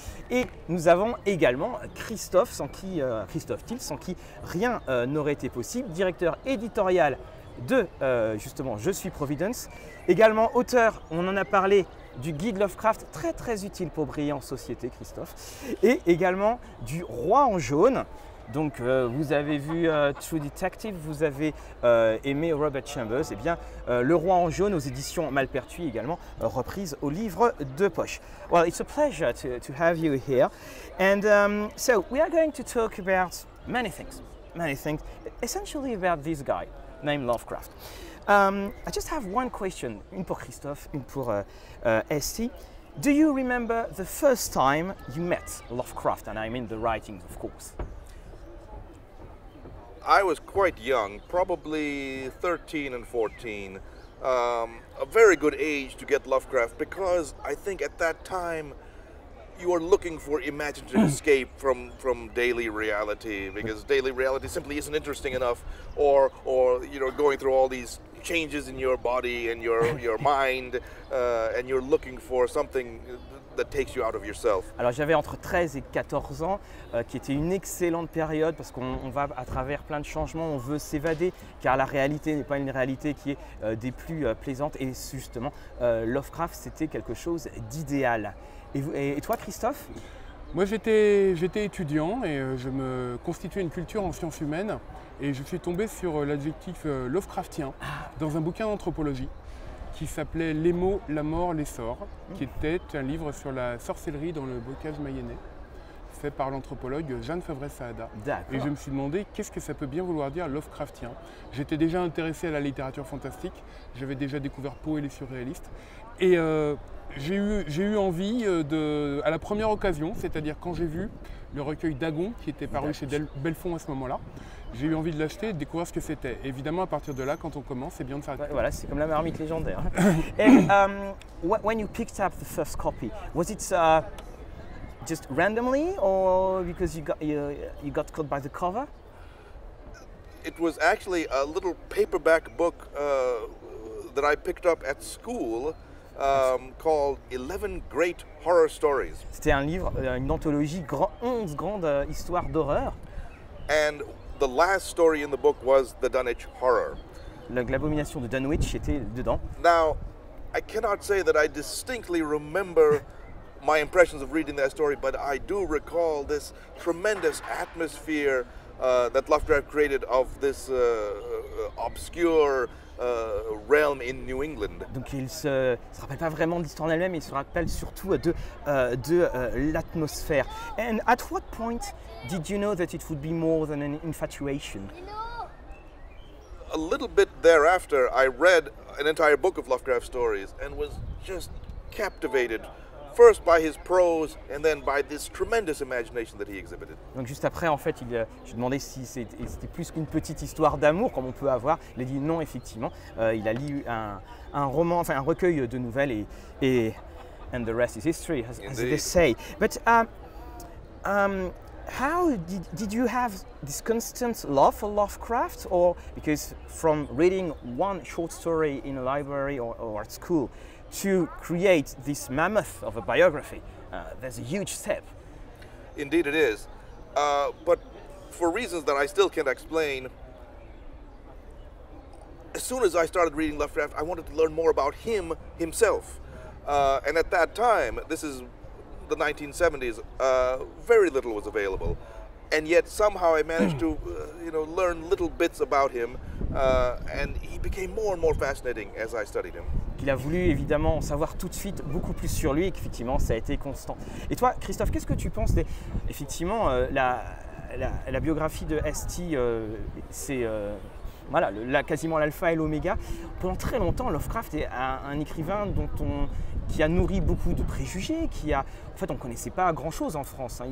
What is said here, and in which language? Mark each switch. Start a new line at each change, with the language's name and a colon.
French: Et nous avons également Christophe, sans qui, Christophe Thill, sans qui rien n'aurait été possible, directeur éditorial de justement Je suis Providence, également auteur, on en a parlé, du guide Lovecraft, très très utile pour briller en société, Christophe, et également du roi en jaune. Donc vous avez vu True Detective, vous avez aimé Robert Chambers, et bien le roi en jaune aux éditions Malpertuis, également reprise au livre de poche.
English: Well, it's a pleasure to have you here, and so we are going to talk about many things essentially about this guy named Lovecraft. I just have one question,
French: une pour Christophe, une pour ST.
English: Do you remember the first time you met Lovecraft, and I mean the writings, of course? I was quite young, probably 13 and 14. A very good age to get Lovecraft, because I think at that time you are looking for imaginative escape from daily reality, because daily reality simply isn't interesting enough, or you know, going through all these changes in your body and your mind, and you're looking for something that takes you out of yourself.
French: Alors j'avais entre 13 et 14 ans, qui était une excellente période, parce qu'on va à travers plein de changements, on veut s'évader, car la réalité n'est pas une réalité qui est des plus plaisantes, et justement Lovecraft c'était quelque chose d'idéal. Et toi, Christophe ? Moi, j'étais étudiant et je me constituais une culture en sciences humaines. Et je suis tombé sur l'adjectif Lovecraftien dans un bouquin d'anthropologie qui s'appelait « Les mots, la mort, les sorts », qui était un livre sur la sorcellerie dans le bocage mayennais, fait par l'anthropologue Jeanne Favret-Saada. D'accord. Et je me suis demandé qu'est-ce que ça peut bien vouloir dire Lovecraftien. J'étais déjà intéressé à la littérature fantastique, j'avais déjà découvert Poe et les surréalistes. Et j'ai eu envie, à la première occasion, c'est-à-dire quand j'ai vu le recueil Dagon qui était paru chez Belfond à ce moment-là, j'ai eu envie de l'acheter et de découvrir ce que c'était. Évidemment, à partir de là, quand on commence, c'est bien de s'arrêter. Voilà, c'est comme la marmite légendaire.
English: Et when you picked up the first copy, was it just randomly or because you got caught by the cover? It was actually a little paperback book that I picked up at school. Called 11 Great Horror Stories.
French: C'était un livre, une anthologie, 11 grandes histoires d'horreur.
English: And the last story in the book was the Dunwich Horror.
French: L'abomination de Dunwich était dedans.
English: Now, I cannot say that I distinctly remember my impressions of reading that story, but I do recall this tremendous atmosphere that Lovecraft created of this obscure realm in New England.
French: Donc il ne se rappelle pas vraiment de l'histoire en elle-même, il se rappelle surtout de l'atmosphère.
English: And at what point did you know that it would be more than an infatuation? A little bit thereafter, I read an entire book of Lovecraft stories and was just captivated. First by his prose, and then by this tremendous imagination that he exhibited.
French: Donc juste après, en fait, je demandais si c'était plus qu'une petite histoire d'amour, comme on peut avoir. Il a dit non, effectivement. Il a lu un roman, enfin un recueil de nouvelles, et
English: and the rest is history, as they say. But how did you have this constant love for Lovecraft, or because from reading one short story in a library or at school, to create this mammoth of a biography, there's a huge step. Indeed it is. But for reasons that I still can't explain, as soon as I started reading Lovecraft, I wanted to learn more about him himself. And at that time, this is the 1970s, very little was available. And yet somehow I managed to learn little bits about him, and he became more and more fascinating as I studied him.
French: Il a voulu évidemment en savoir tout de suite beaucoup plus sur lui, et qu'effectivement ça a été constant. Et toi, Christophe, qu'est-ce que tu penses des... Effectivement, la biographie de ST, c'est voilà, quasiment l'alpha et l'oméga. Pendant très longtemps, Lovecraft est un écrivain qui a nourri beaucoup de préjugés, en fait, on ne connaissait pas grand-chose en France. Hein.